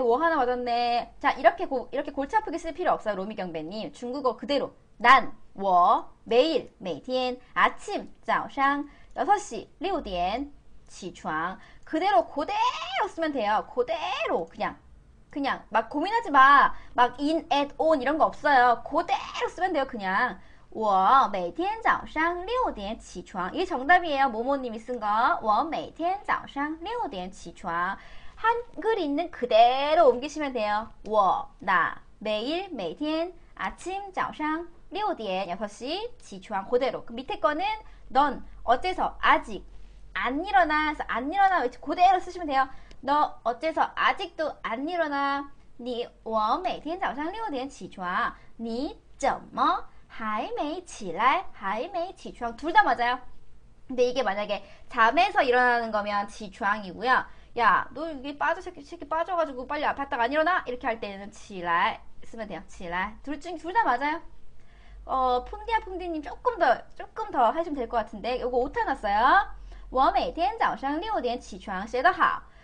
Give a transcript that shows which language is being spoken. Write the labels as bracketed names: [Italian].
[Korean] 뭐 하나 맞았네. 자, 이렇게 골치 아프게 쓸 필요 없어요. 로미 경배님. 중국어 그대로. 난, 我, 매일, 每天, 아침, 早上, 6시, 6点. 起床 그대로 그대로 쓰면 돼요. 그대로 그냥 막 고민하지 마. 막 in at on 이런 거 없어요. 그대로 쓰면 돼요. 그냥 [Chinese] 我每天早上6点起床. [Korean] 이게 정답이에요. 모모님이 쓴 거. [Chinese] 我每天早上6点起床. [Korean] 한글 있는 그대로 옮기시면 돼요. 我나 매일 매天 아침 早上 6点 6시 起床 그대로. 그 밑에 거는 넌 어째서 아직 안 일어나, 그래서 안 일어나, 그대로 쓰시면 돼요. 너 어째서 아직도 안 일어나? [Chinese] 니, 워, 每天早上6点起床. 니, 쩌머, 还没起来, 还没起床. [Korean] 둘다 맞아요. 근데 이게 만약에 잠에서 일어나는 거면 起床이고요. 야, 너 이게 빠져가지고 빨리 아팠다가 안 일어나? 이렇게 할 때는 起来 쓰면 돼요. 起来.둘 중, 둘다 맞아요. 풍디야, 풍디님 조금 더 하시면 될것 같은데. 요거 오타 났어요. [Chinese] 我每天早上6点起床, 写得好.